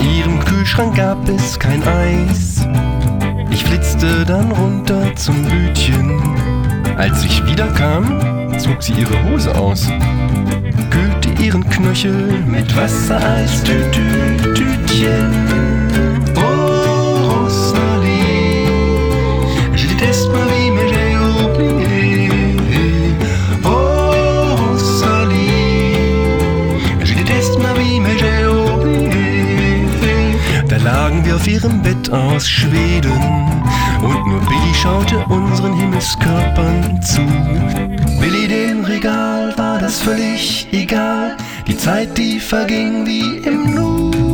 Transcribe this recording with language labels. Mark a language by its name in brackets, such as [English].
[German] In ihrem Kühlschrank gab es kein Eis. Ich flitzte dann runter zum Hütchen. Als ich wiederkam, zog sie ihre Hose aus, kühlte ihren Knöchel mit Wasser als Tütütütchen. [French] Oh Rosalie, je déteste ma vie, mais j'ai oublié. Oh Rosalie, je déteste ma vie, mais j'ai oublié. [German] Da lagen wir auf ihrem Bett aus Schweden und nur Billy schaute unseren Himmelskörpern zu. Billy, dem Regal war das völlig egal, die Zeit, die verging wie im Nu.